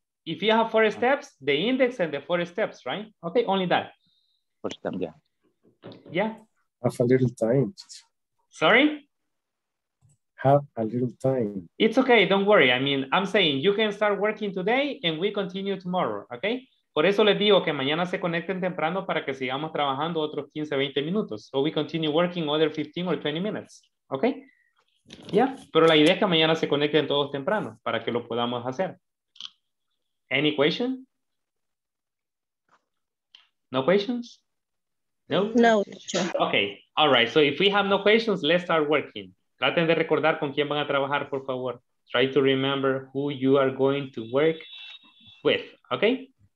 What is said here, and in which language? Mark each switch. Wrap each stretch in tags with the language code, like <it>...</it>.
<en>If you have four steps, the index and the four steps, right? Okay, only that. First time, yeah. Yeah. Have a little time. Sorry? Have a little time. It's okay, don't worry. I mean, I'm saying you can start working today and we continue tomorrow, okay?</en> <es>Por eso les digo que mañana se conecten temprano para que sigamos trabajando otros 15, 20 minutos.</es> <en>So we continue working other 15 or 20 minutes, okay? Yeah,</en> <es>pero la idea es que mañana se conecten todos temprano para que lo podamos hacer.</es> <en>Any question? No questions? No? No. Okay, all right. So if we have no questions, let's start working.</en> <es>Traten de recordar con quién van a trabajar, por favor.</es> <en>Try to remember who you are going to work with, okay?</en>